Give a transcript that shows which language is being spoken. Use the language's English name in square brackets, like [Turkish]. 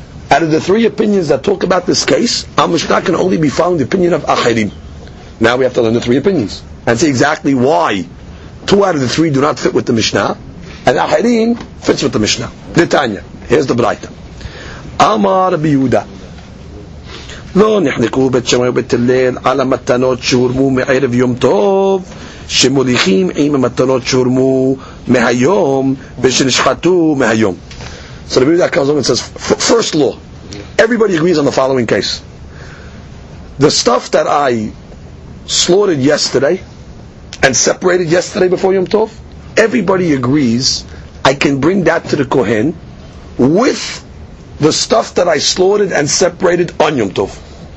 [English] Out of the three opinions that talk about this case, our Mishnah can only be found the opinion of achirim. Now we have to learn the three opinions and see exactly why two out of the three do not fit with the Mishnah, and achirim fits with the Mishnah. Netanya, here's the brayta. Amar Rabbi Yehuda. [Hebrew] לא נחנקו בית שמי ובית הלל על המתנות שהורמו מערב יום טוב שמוליכים עם המתנות שהורמו מהיום ושנשחטו מהיום. [English] So the Rabbi Yehuda comes up and says, first law, everybody agrees on the following case. The stuff that I slaughtered yesterday and separated yesterday before Yom Tov, everybody agrees I can bring that to the Kohen with the stuff that I slaughtered and separated on Yom Tov.